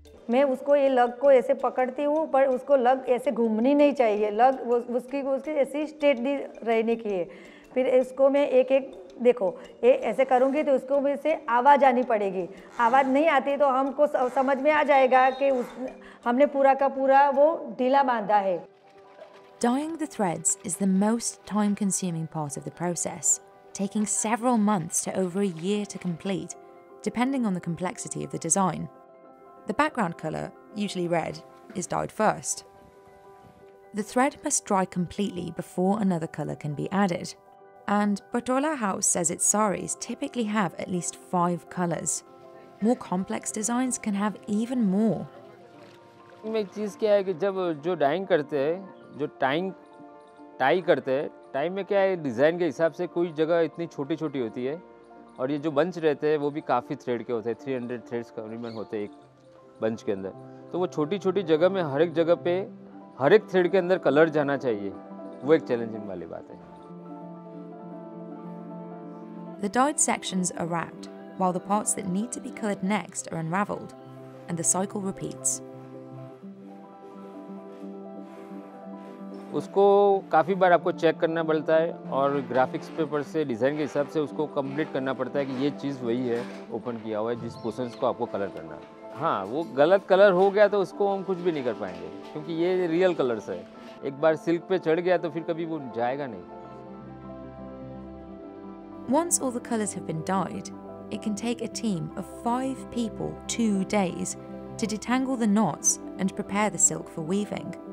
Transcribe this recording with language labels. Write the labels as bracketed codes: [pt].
[hi] मैं उसको ये लग को ऐसे पकड़ती हूँ पर उसको लग ऐसे घूमनी नहीं चाहिए लग उसकी उसकी ऐसी स्टेट दी रहने की है फिर इसको मैं एक-एक देखो ये ऐसे करूँगी तो उसको भी से आवाज आनी पड़ेगी आवाज नहीं आती तो हमको समझ में आ जाएगा कि हमने पूरा का पूरा वो ढीला बांधा है. [en] Dyeing the threads is the most time-consuming part of the process, taking several months to over a year to complete, depending on the complexity of the design. The background colour, usually red, is dyed first. The thread must dry completely before another colour can be added. And Patola House says its saris typically have at least 5 colours. More complex designs can have even more. [hi] एक चीज क्या है कि जब जो dyeing करते हैं, जो tie करते हैं, टाइम में क्या है डिज़ाइन के हिसाब से कोई जगह इतनी छोटी छोटी होती है और ये जो बंच रहते हैं वो भी काफ़ी थ्रेड के होते हैं 300 थ्रेड्स करीबन होते हैं एक बंच के अंदर तो वो छोटी छोटी जगह में हर एक जगह पे हर एक थ्रेड के अंदर कलर जाना चाहिए वो एक चैलेंजिंग वाली बात है. [en] The dyed sections are wrapped, while the parts that need to be colored next are unraveled, and the cycle repeats. [hi] उसको काफ़ी बार आपको चेक करना पड़ता है और ग्राफिक्स पेपर से डिज़ाइन के हिसाब से उसको कंप्लीट करना पड़ता है कि ये चीज़ वही है ओपन किया हुआ है जिस पोर्शंस को आपको कलर करना है. हाँ वो गलत कलर हो गया तो उसको हम कुछ भी नहीं कर पाएंगे क्योंकि ये रियल कलर्स है एक बार सिल्क पे चढ़ गया तो फिर कभी वो जाएगा नहीं. [en] Once all the colors have been dyed, it can take a team of 5 people 2 days to detangle the knots and prepare the silk for weaving.